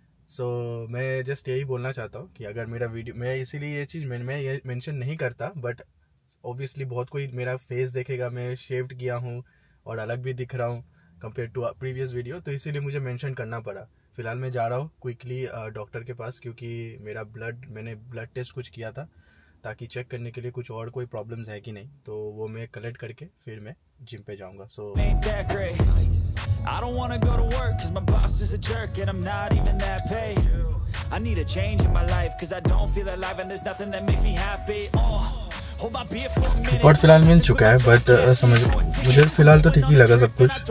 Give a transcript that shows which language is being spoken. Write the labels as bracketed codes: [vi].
[hi] सो मैं जस्ट यही बोलना चाहता हूँ कि अगर मेरा वीडियो, मैं इसीलिए ये चीज़ मैं ये मेंशन नहीं करता बट ऑब्वियसली बहुत कोई मेरा फेस देखेगा, मैं शेव्ड किया हूँ और अलग भी दिख रहा हूँ कंपेयर टू प्रीवियस वीडियो, तो इसीलिए मुझे मेंशन करना पड़ा। फिलहाल मैं जा रहा हूँ क्विकली डॉक्टर के पास क्योंकि मेरा ब्लड, मैंने ब्लड टेस्ट कुछ किया था ताकि चेक करने के लिए कुछ और कोई प्रॉब्लम्स है कि नहीं, तो वो मैं कलेक्ट करके फिर मैं जिम पे जाऊंगा। [en] So I don't wanna go to work cause my boss is a jerk and I'm not even that paid. I need a change in my life cause I don't feel alive and there's nothing that makes me happy. [hi] Record फिलहाल मिल चुका है but समझ मुझे फिलहाल तो ठीक ही लगा सब कुछ।